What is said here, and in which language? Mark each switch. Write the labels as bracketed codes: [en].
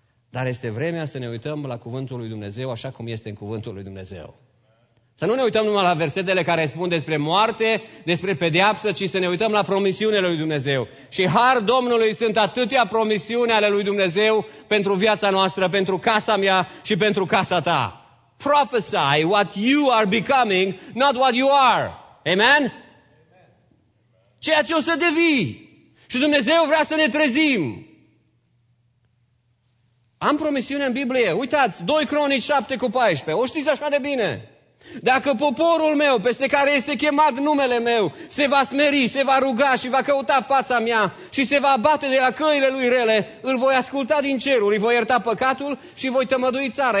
[ro] Dar este vremea să ne uităm la cuvântul lui Dumnezeu așa cum este în cuvântul lui Dumnezeu. Să nu ne uităm numai la versetele care spun despre moarte, despre pedeapsă, ci să ne uităm la promisiunile lui Dumnezeu. Și har Domnului sunt atâtea promisiuni ale lui Dumnezeu pentru viața noastră, pentru casa mea și pentru casa ta. [en] Prophesy what you are becoming, not what you are. [ro] Amen? Ceea ce o să devii. Și Dumnezeu vrea să ne trezim. Am promisiune în Biblie. Uitați, 2 Cronici 7:14. O știți așa de bine. Dacă poporul meu, peste care este chemat numele meu, se va smeri, se va ruga și va căuta fața mea și se va abate de la căile lui rele, îl voi asculta din ceruri, îi voi ierta păcatul și voi tămădui țara.